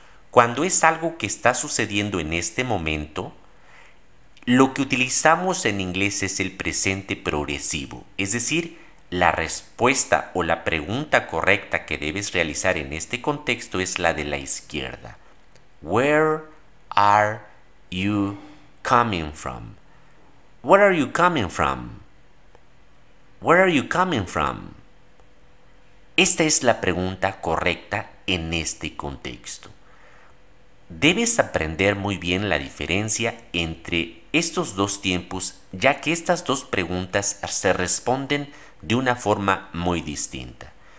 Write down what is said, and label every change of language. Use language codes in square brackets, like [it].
[es] Cuando es algo que está sucediendo en este momento, lo que utilizamos en inglés es el presente progresivo. Es decir, la respuesta o la pregunta correcta que debes realizar en este contexto es la de la izquierda. [en] Where are you coming from? Where are you coming from? Where are you coming from? [es] Esta es la pregunta correcta en este contexto. Debes aprender muy bien la diferencia entre estos dos tiempos, ya que estas dos preguntas se responden de una forma muy distinta.